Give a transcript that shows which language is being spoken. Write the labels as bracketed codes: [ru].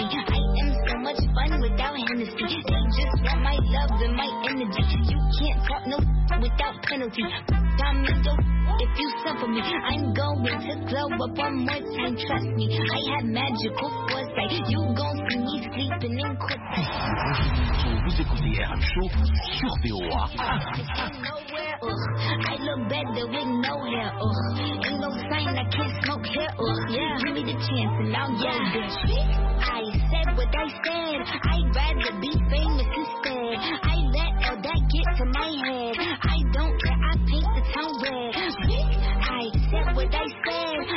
[en] I am so much fun without Hennessy. They just want my love and my energy. You can't talk no without penalty. Time is over if you suffer me. I'm going to glow up one more time. Trust me, I have magical foresight. You gon' see me sleeping in quick. [fr] Vous écoutez RM Show sur VOA. ugh. [en] I look better with no hair, ugh. Ain't no sign I can't smoke hair, ugh. Yeah. Give me the chance and I'll yeah. go there. I said what I said. I'd rather be famous instead. I let all that get to my head. I don't care, I paint the town red. I said what I said.